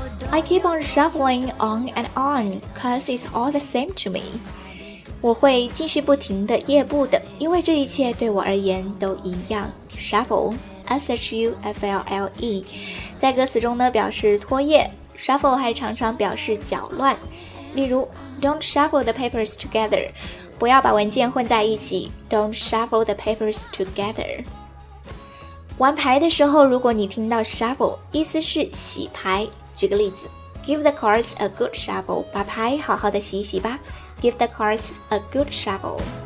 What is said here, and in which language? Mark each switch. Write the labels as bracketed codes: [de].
[en] I keep on shuffling on and on, cause it's all the same to me. [zh] 我会继续不停的夜步的，因为这一切对我而言都一样。 Shuffle, S-H-U-F-L-L-E, 在歌词中呢表示拖曳。 Shuffle 还常常表示搅乱，例如 [en] Don't shuffle the papers together, [zh] 不要把文件混在一起。 [en] Don't shuffle the papers together. [zh] 玩牌的时候，如果你听到 shuffle, 意思是洗牌。举个例子， [en] Give the cards a good shuffle, [zh] 把牌好好的洗洗吧。 [en] Give the cards a good shuffle.